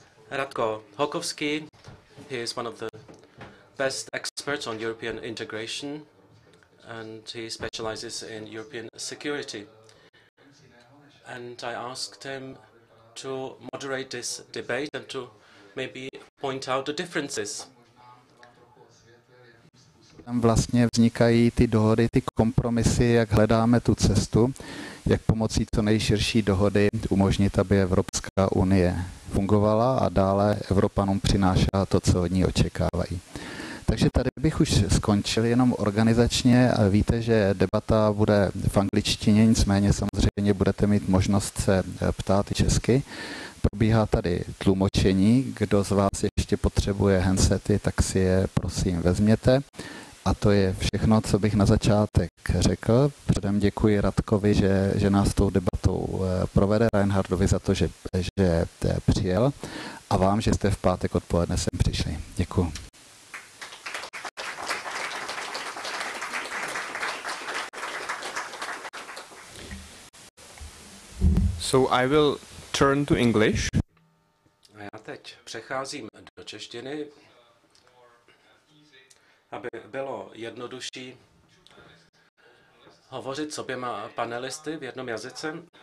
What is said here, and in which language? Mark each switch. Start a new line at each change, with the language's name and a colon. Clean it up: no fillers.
English: Radko Hokovský, he is one of the best experts on European integration, and he specializes in European security. And I asked him to moderate this debate and to maybe point out the differences.
Czech: Tam vlastně vznikají ty dohody, ty kompromisy, jak hledáme tu cestu, jak pomocí co nejširší dohody umožnit, aby Evropská unie fungovala a dále Evropanům přinášela to, co od ní očekávají. Takže tady bych už skončil jenom organizačně. Víte, že debata bude v angličtině, nicméně samozřejmě budete mít možnost se ptát i česky. Probíhá tady tlumočení. Kdo z vás ještě potřebuje handsety, tak si je prosím vezměte. A to je všechno, co bych na začátek řekl. Předem děkuji Radkovi, že nás tou debatou provede, Reinhardovi za to, že přijel, a vám, že jste v pátek odpoledne sem přišli. Děkuji.
English: So I will turn to English.
Czech: A já teď přecházím do češtiny, aby bylo jednodušší hovořit s oběma panelisty v jednom jazyce.